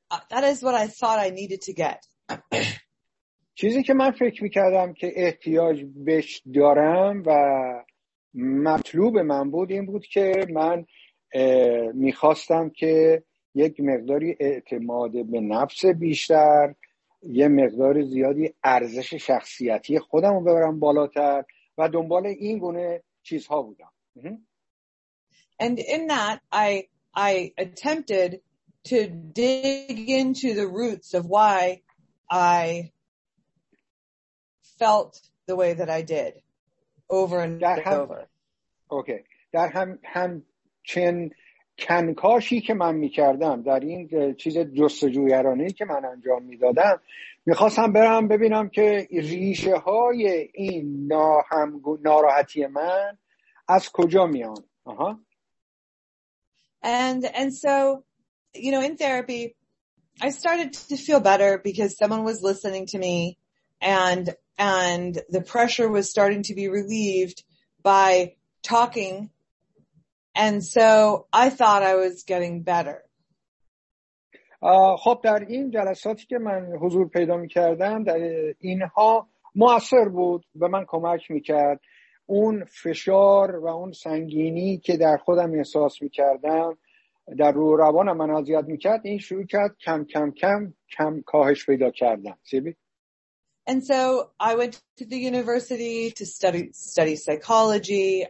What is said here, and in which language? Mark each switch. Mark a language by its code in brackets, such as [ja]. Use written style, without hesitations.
[en] That is what I thought I needed to get. [fa] چیزی که من فکر می‌کردم که احتیاج بهش دارم و مطلوب من بود این بود که من می‌خواستم که یک مقداری اعتماد به نفس بیشتر، یه مقدار زیادی ارزش شخصیتی خودم رو ببرم بالاتر و دنبال این گونه چیزها بودم. [en] And in that I attempted to dig into the roots of why I felt the way that I did over and over. Okay. [fa] در هم چن کنکاشی که من میکردم در این چیز جستجویرانه که من انجام میدادم میخواستم برم ببینم که ریشه های این ناراحتی من از کجا میان. [en] And so you know in therapy I started to feel better because someone was listening to me and the pressure was starting to be relieved by talking. And so I thought I was getting better. [fa] خب در این جلساتی که من حضور پیدا می‌کردم در اینها مؤثر بود، به من کمک می‌کرد. اون فشار و اون سنگینی که در خودم احساس می‌کردم در روح روانم من اذیت می‌کرد، این شروع کرد کم کم کاهش پیدا کردن. [en] And so I went to the university to study psychology.